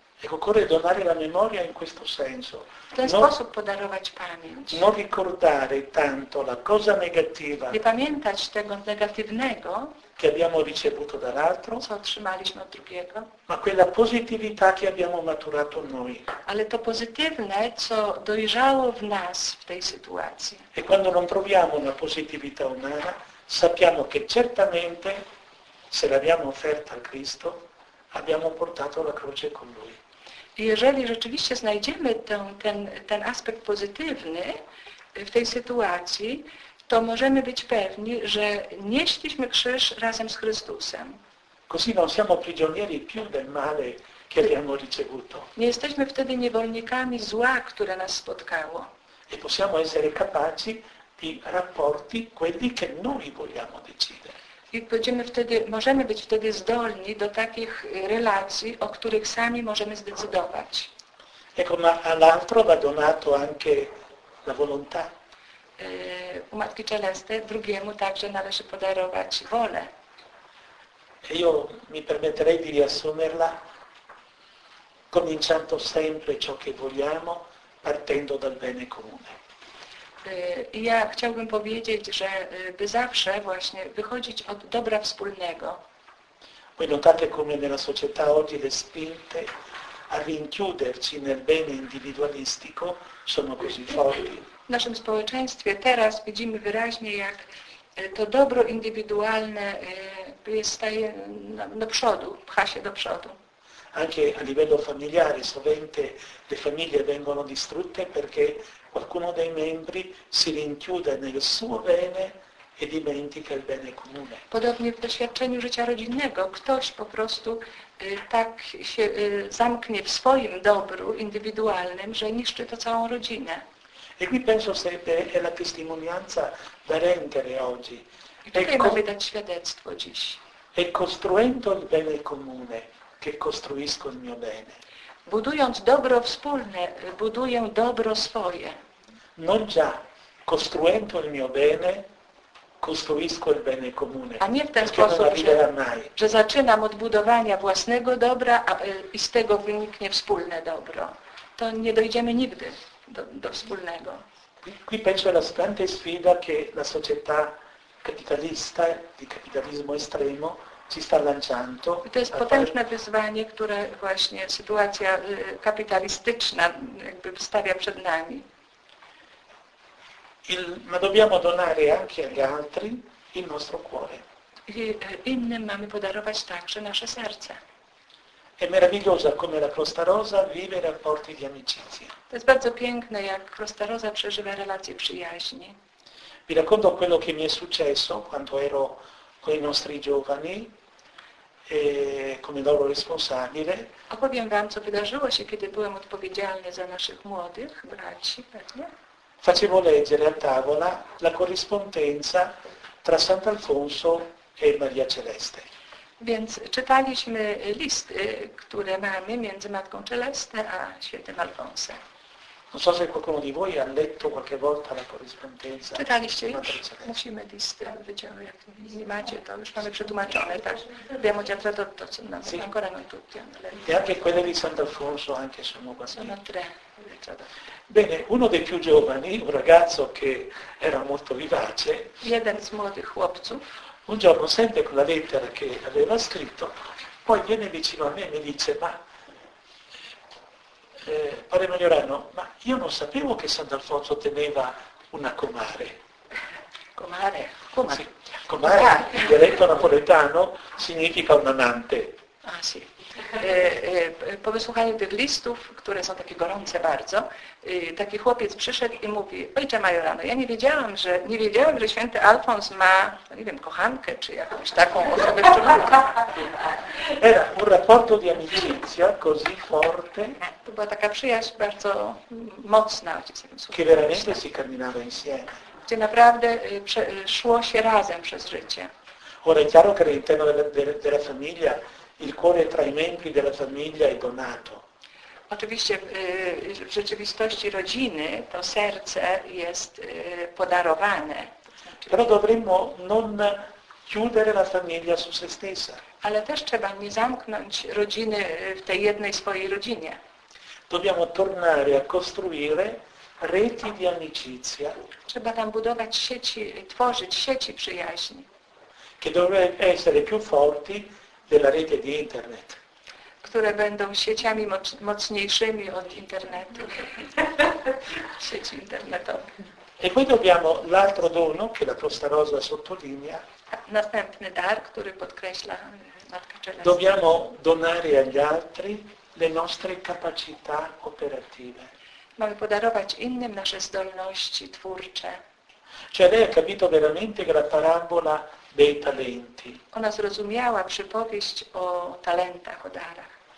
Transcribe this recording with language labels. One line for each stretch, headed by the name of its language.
Italian: Occorre donare la memoria in questo senso.
Polish: W ten sposób podarować pamięć.
Italian: Non ricordare tanto la cosa negativa.
Polish: Nie pamiętać tego negatywnego,
Italian: che abbiamo ricevuto dall'altro,
Polish: co otrzymaliśmy od drugiego,
Italian: ma quella positività che abbiamo maturato noi.
Polish: Ale to pozytywne, co dojrzało w nas w tej sytuacji.
Italian: E quando non troviamo una positività umana, sappiamo che certamente se l'abbiamo offerta a Cristo, abbiamo portato la croce con Lui.
Polish: Jeżeli rzeczywiście znajdziemy ten aspekt pozytywny w tej sytuacji, to możemy być pewni, że nieśliśmy krzyż razem z Chrystusem.
Italian: Così non siamo prigionieri più del male che abbiamo ricevuto.
Polish: Nie jesteśmy wtedy niewolnikami zła, które nas spotkało.
Italian: E possiamo essere capaci di rapporti quelli che noi vogliamo decidere.
Polish: I będziemy wtedy, możemy być wtedy zdolni do takich relacji, o których sami możemy zdecydować.
Italian: Ecco, ma all'altro va donato anche la volontà.
Polish: U Matki Celeste drugiemu także należy podarować wolę.
Italian: E io mi permetterei di riassumerla cominciando sempre ciò che vogliamo, partendo dal bene comune.
Polish: Ja chciałbym powiedzieć, że by zawsze właśnie wychodzić od dobra wspólnego.
Italian: Voi notate come nella società oggi le spinte a rinchiuderci nel bene individualistico sono così forti.
Polish: W naszym społeczeństwie teraz widzimy wyraźnie, jak to dobro indywidualne staje do przodu, pcha się do przodu.
Italian: Anche a livello familiare, sovente le famiglie vengono distrutte perché qualcuno dei membri si rinchiude nel suo bene e dimentica il bene comune.
Polish: Podobnie w doświadczeniu życia rodzinnego, ktoś po prostu tak się zamknie w swoim dobru indywidualnym, że niszczy to całą rodzinę.
Italian: E qui penso sempre è la testimonianza da rendere oggi.
Polish: E tutaj mamy dać świadectwo dziś.
Italian: E costruendo il bene comune, che costruisco il mio bene.
Polish: Budując dobro wspólne, buduję dobro swoje.
Italian: Non già costruendo il mio bene, costruisco il bene comune.
Polish: A nie w ten sposób, że zaczynam od budowania własnego dobra i z tego wyniknie wspólne dobro. To nie dojdziemy nigdy do wspólnego.
Italian: Qui penso alla grande sfida che la società capitalista, di capitalismo estremo, ci sta lanciando.
Polish: To jest potężne wyzwanie, które właśnie sytuacja kapitalistyczna jakby stawia przed nami.
Italian: Ma dobbiamo donare anche agli altri il nostro cuore.
Polish: I innym mamy podarować także nasze serce.
Italian: È meravigliosa come la Crosta Rosa vive i rapporti di amicizia.
Polish: To jest bardzo piękne, jak Crosta Rosa przeżywa relacje przyjaźni.
Italian: Vi racconto quello che mi è successo quando ero con i nostri giovani, come loro responsabile.
Polish: Opowiem wam, co wydarzyło się, kiedy byłem odpowiedzialny za naszych młodych braci, pewnie.
Italian: Facevo leggere a tavola la corrispondenza tra Sant'Alfonso e Maria Celeste.
Polish: Więc czytaliśmy listy, które mamy między Matką Celeste a Świętym Alfonsem.
Italian: Non so se qualcuno di voi ha letto qualche volta la corrispondenza.
Polish: Czytaliście już? Musimy listy wyciągnąć. Nie macie to, już mamy przetłumaczone. Tak.
Italian: Abbiamo già tradotto,
Polish: co nam
Italian: sì. Ancora non tutti hanno letto. E anche quelle di Sant'Alfonso anche sono quasi. Sono tre. Bene, uno dei più giovani, un ragazzo che era molto vivace.
Polish: Jeden z młodych chłopców.
Italian: Un giorno sente quella lettera che aveva scritto, poi viene vicino a me e mi dice, ma padre Maiorano, ma io non sapevo che Sant'Alfonso teneva una comare. Comare? Comare, sì. Comare in dialetto napoletano significa un amante. Ah sì.
Polish: Po wysłuchaniu tych listów, które są takie gorące bardzo, taki chłopiec przyszedł i mówi, ojcze Majorano, ja nie wiedziałam, że święty Alfons ma, nie wiem, kochankę, czy jakąś taką osobę szczególną.
Italian: Era un rapporto di amicizia così forte.
Polish: To była taka przyjaźń bardzo mocna, ojciec.
Italian: Che veramente si camminava insieme.
Polish: Gdzie naprawdę szło się razem przez życie.
Italian: Ora è chiaro che all'interno della famiglia il cuore tra i membri della famiglia è donato.
Polish: Oczywiście w rzeczywistości rodziny to serce jest podarowane.
Italian: Però dovremmo non chiudere la famiglia su se stessa.
Polish: Ale też trzeba nie zamknąć rodziny w tej jednej swojej rodzinie.
Italian: Dobbiamo tornare a costruire reti di amicizia.
Polish: Trzeba tam budować sieci, tworzyć sieci przyjaźni.
Italian: Che dovrebbero essere più forti della rete di internet.
Polish: Które będą sieciami mocniejszymi od internetu. Sieci internetowe.
Italian: E poi dobbiamo l'altro dono che la Crosta Rosa sottolinea.
Polish: Następny dar, który podkreśla Matka Celeste.
Italian: Dobbiamo donare agli altri le nostre capacità operative.
Polish: Mamy podarować innym nasze zdolności twórcze.
Italian: Cioè lei ha capito veramente che la parabola dei talenti.
Polish: Ona zrozumiała przypowieść o talentach, o darach.